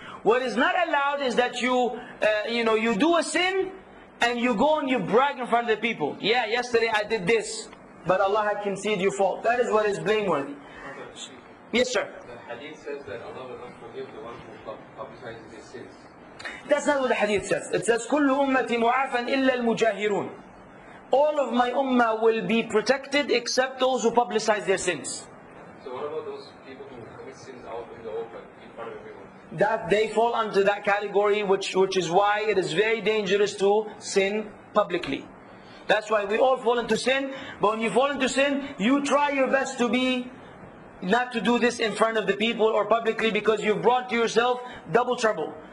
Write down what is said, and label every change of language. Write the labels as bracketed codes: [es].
[en] What is not allowed is that you do a sin, and you go and you brag in front of the people. Yeah, yesterday I did this, but Allah had conceded your fault. That is what is blameworthy. Yes, sir. The hadith says that Allah will not forgive the one who publicizes his sins. That's not what the hadith says. It says, [ar] كُلُّ أُمَّةِ مُعَافًا إِلَّا الْمُجَاهِرُونَ. [en] All of my ummah will be protected except those who publicize their sins. So what about those people who commit sins out in the open, in front of everyone? That they fall under that category, which is why it is very dangerous to sin publicly. That's why we all fall into sin. But when you fall into sin, you try your best to be, not to do this in front of the people or publicly, because you've brought to yourself double trouble.